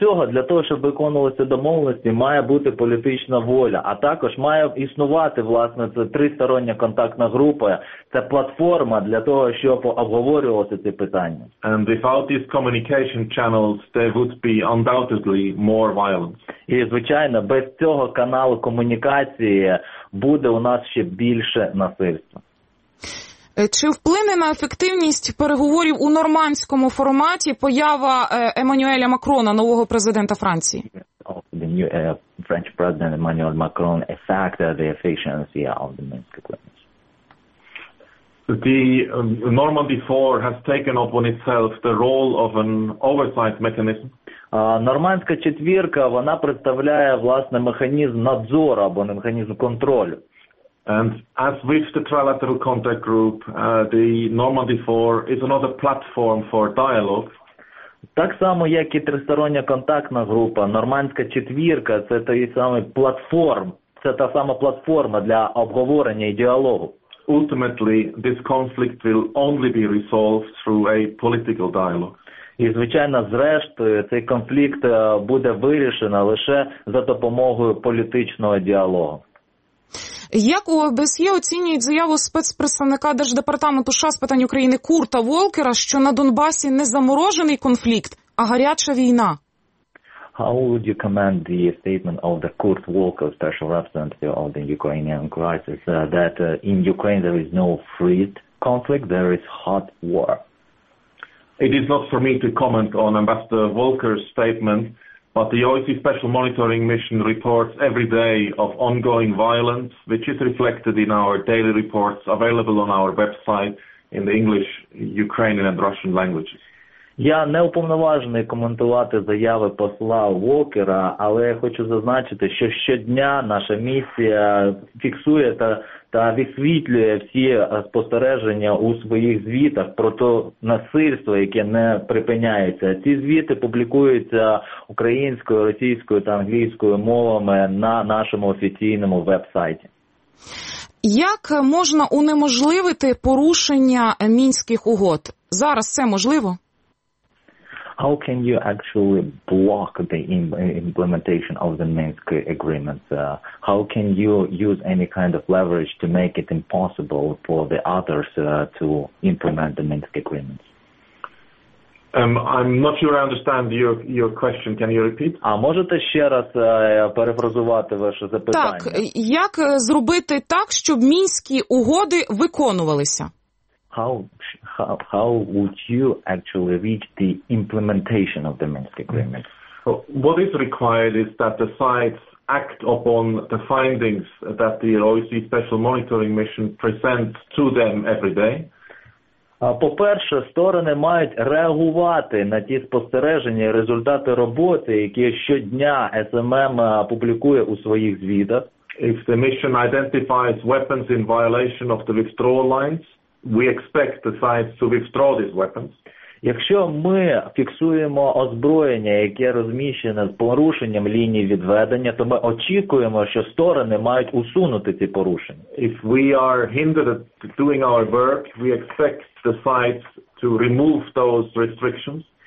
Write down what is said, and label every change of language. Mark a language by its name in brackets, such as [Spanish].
[Ukrainian] Для того, щоб виконувалися домовленості, має бути політична воля, а також має існувати, власне, це тристороння контактна група, це платформа для того, щоб обговорювати ці питання. [English] And without these communication channels, there would be undoubtedly more violence. [Ukrainian] І, звичайно, без цього каналу комунікації буде у нас ще більше насильства. Чи вплине на ефективність переговорів у нормандському форматі поява Еммануеля Макрона, нового президента Франції? [English] The new French president Emmanuel Macron affect the efficiency of the Minsk agreement. The Normandy 4 has taken upon itself the role of an oversight mechanism. [Ukrainian] Нормандська четвірка, вона представляє власне механізм надзору або механізм контролю. [English] And as with the trilateral contact group, the Normandy 4 is another platform for dialogue. [Ukrainian] Так само, як і тристороння контактна група, Нормандська четвірка – це та сама платформа, це та сама платформа для обговорення і діалогу. [English] Ultimately, this conflict will only be resolved through a political dialogue. [Ukrainian] І, звичайно, зрештою, цей конфлікт буде вирішено лише за допомогою політичного діалогу. Як у ОБСЄ оцінюють заяву спецпредставника Держдепартаменту США з питань України Курта Волкера, що на Донбасі не заморожений конфлікт, а гаряча війна? [English] How would you comment the statement of the Kurt Volker, special representative of the Ukrainian crisis, that in Ukraine there is no freeze conflict, there is hot war? It is not for me to comment on Ambassador Volker's statement, but the OSCE Special Monitoring Mission reports every day of ongoing violence, which is reflected in our daily reports available on our website in the English, Ukrainian and Russian languages. [Ukrainian] Я не уповноважений коментувати заяви посла Волкера, але я хочу зазначити, що щодня наша місія фіксує та висвітлює всі спостереження у своїх звітах про те насильство, яке не припиняється. Ці звіти публікуються українською, російською та англійською мовами на нашому офіційному веб-сайті. Як можна унеможливити порушення Мінських угод? Зараз це можливо? [English] How can you actually block the implementation of the Minsk agreement? How can you use any kind of leverage to make it impossible for the others to implement the Minsk agreement? I'm not sure I understand your question. Can you repeat? [Ukrainian] А можете ще раз перефразувати ваше запитання? Так, як зробити так, щоб Мінські угоди виконувалися? [English] How would you actually reach the implementation of the Minsk agreement? So what is required is that the sides act upon the findings that the OSCE Special Monitoring Mission presents to them every day. [Ukrainian] По-перше, сторони мають реагувати на ті спостереження і результати роботи, які щодня SMM публікує у своїх звітах. [English] If the mission identifies weapons in violation of the withdrawal lines, we expect the sides to withdraw these weapons. [Ukrainian] Якщо ми фіксуємо озброєння, яке розміщене з порушенням лінії відведення, то ми очікуємо, що сторони мають усунути ці порушення. [English] If we are hindered at doing our work, we expect the sides to remove those restrictions.